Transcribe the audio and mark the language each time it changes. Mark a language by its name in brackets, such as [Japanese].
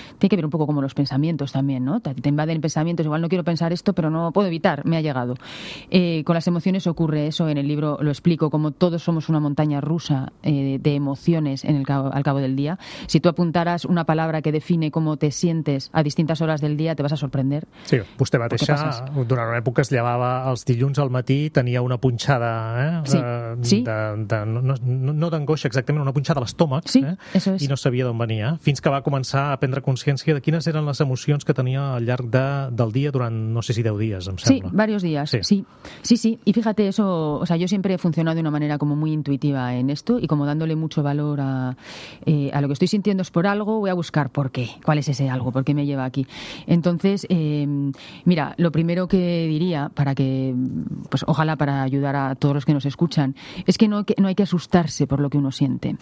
[Spanish] Tiene que ver un poco como los pensamientos también, ¿no? Te invaden pensamientos, igual no quiero pensar esto, pero no puedo evitar, me ha llegado. Con las emociones ocurre eso, en el libro lo explico, como todos somos una montaña rusa de emociones en el cabo, al cabo del día. Si tú apuntaras una palabra que define cómo te sientes a distintas horas del día, te vas a sorprender. [Catalan] Sí, vostè mateixa, durant una època es llevava els dilluns al matí, tenia una punxada, Sí. No d'angoixa, exactament, una punxada a l'estómac, sí, i no sabia d'on venia, fins que va començar a prendre consciència de quines eren les emocions que tenia al llarg de, del dia durant, no sé si 10 dies, em sembla. [Spanish] Sí, varios días, sí. Y fíjate, eso, o sea, yo siempre he funcionado de una manera como muy intuitiva en esto y como dándole mucho valor a lo que estoy sintiendo es por algo, voy a buscar por qué, cuál es ese algo, por qué me lleva aquí. Entonces, mira, lo primero que diría para que, pues ojalá para ayudar a todos los que nos escuchan, es que no hay que asustarse por lo que uno siente.